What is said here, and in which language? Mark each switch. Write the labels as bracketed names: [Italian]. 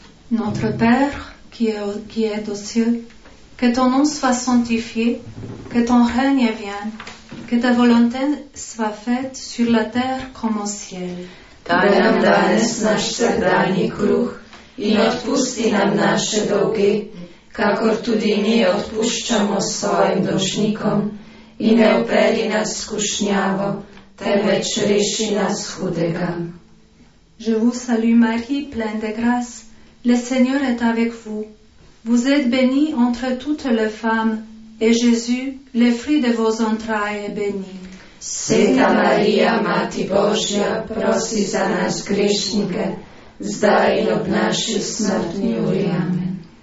[French] Notre Père, qui est aux cieux, que ton nom soit sanctifié, que ton règne vienne, que ta volonté soit faite sur la terre comme au ciel. [Slovenian] Daj nam danes naš vsakdanji kruh in odpusti nam naše dolge, kakor tudi mi odpuščamo svojim dolžnikom in ne upeli nas skušnjavo, temveč reši nas hudega. [French] Je vous salue Marie, pleine de grâce, le Seigneur est avec vous. Vous êtes bénie entre toutes les femmes et Jésus, le fruit de vos entrailles, est béni. [Slovenian] Sveta Marija, Mati Božja, prosi za nas grešnike, zdaj in ob naši smrtni uri. Amen.